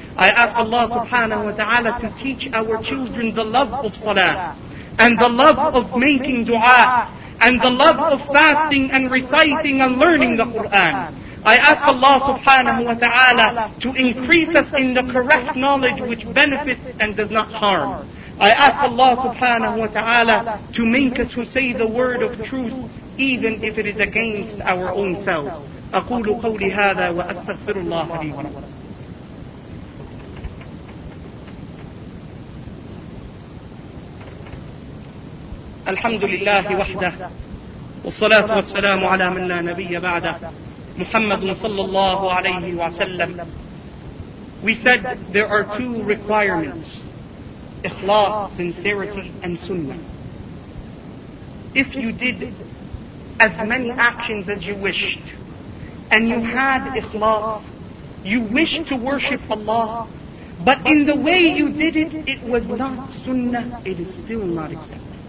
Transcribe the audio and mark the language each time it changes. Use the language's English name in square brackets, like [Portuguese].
[English] I ask Allah subhanahu wa ta'ala to teach our children the love of salah, and the love of making dua, and the love of fasting and reciting and learning the Qur'an. I ask Allah subhanahu wa ta'ala to increase us in the correct knowledge which benefits and does not harm. I ask Allah subhanahu wa ta'ala to make us who say the word of truth, even if it is against our own selves. [Arabic] أقول قولي هذا وأستغفر الله لي ولكم. الحمد لله وحده, والصلاة والسلام على من لا نبي بعده, محمد صلى الله عليه وسلم. [English] We said there are two requirements, ikhlas, sincerity, and sunnah. If you did as many actions as you wished, and you had ikhlas, you wished to worship Allah, but in the way you did it, it was not sunnah, it is still not accepted.